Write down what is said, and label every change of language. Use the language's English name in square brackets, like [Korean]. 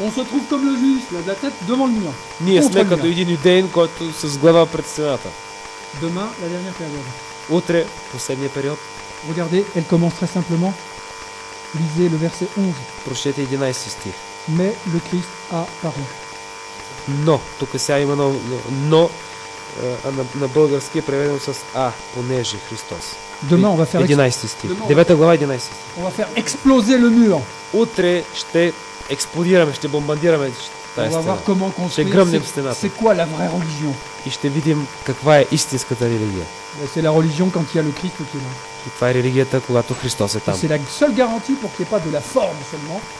[French] On se trouve comme le juste, la tête devant le mur. [Bulgarian] Ние сме като един юдеен, който с глава пред стената. [French] Demain, la dernière période. [Bulgarian] Утре, последния период. [French] Regardez, elle commence très simplement. Lisez le verset 11. [Bulgarian] Прочете 11-ти стих. [French] Mais le Christ a paru. [Bulgarian] Но, тук сега има но, но на български е преведено с А, понеже Христос. [French] Demain on va faire [Bulgarian] 11 стих. 9-та глава 11 стих. [French] On va faire exploser le mur. [Bulgarian] Утре ще експлодираме, ще бомбардираме [French] On va voir comment construire. C'est quoi la vraie religion? C'est la religion quand il y a le Christ qui est là. C'est la seule garantie pour qu'il n'y ait pas de la forme seulement.